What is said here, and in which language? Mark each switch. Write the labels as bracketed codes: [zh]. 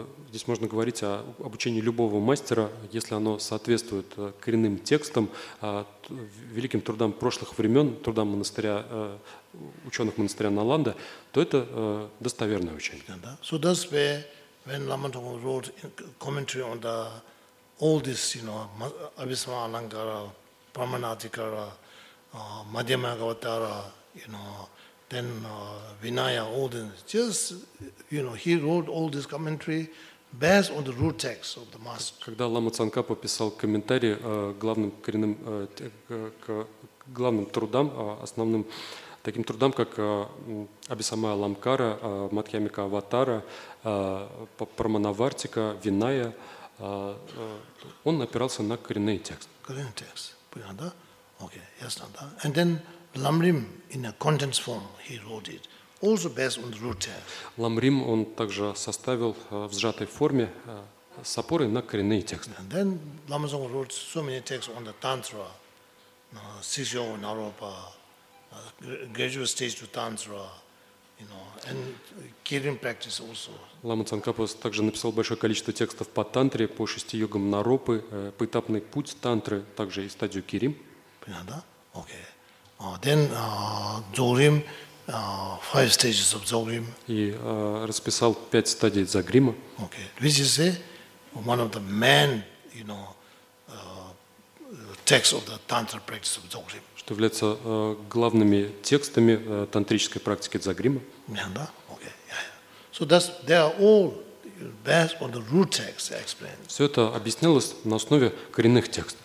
[ru] Здесь можно говорить о обучении любого мастера, если оно соответствует коренным текстам, великим трудам прошлых времен, трудам монастыря, ученых монастыря Наланда, то это достоверное учение. [en] So that's where when Lama Tsongkhapa wrote commentary on the all this, you know, Abhisama Alankara, Pramanatikara, Madhyamagavatara, you know, then Vinaya, all this. Just, you know, he wrote all this commentary based on the root text of the master. [ru] Когда Лама Цанкапа писал комментарии главным коренным к главным трудам, основным таким трудам, как Абхисама Аламкара, Мадхьямика Аватара, Прамановартика, Винайя, он опирался на коренные тексты. Коренные тексты. Понятно, да? Окей, ясно, да? [en] And then Lamrim in a contents form he wrote it, also based on the root text. [ru] Lamrim он также составил в сжатой форме с опорой на коренные тексты. [en] And then Lama Tsongkhapa wrote so many texts on the Tantra, Six-Yoga Naropa, graduate stage to Tantra, and Kirin practice also. [ru] Лама Цанкапа также написал большое количество текстов по тантре, по шести йогам Наропы, поэтапный путь тантры, также и стадию Кирим. Понятно? Окей. [en] Then Dzogrim, five stages of Dzogrim. [ru] И расписал пять стадий Дзогрима. Окей. [en] Which is one of the main, you know, texts of the tantra practice of Dzogrim. [ru] Что является главными текстами тантрической практики Дзогрима. Понятно? Окей. [en] So that's they are all based on the root text explained. [ru] Все это объяснялось на основе коренных текстов.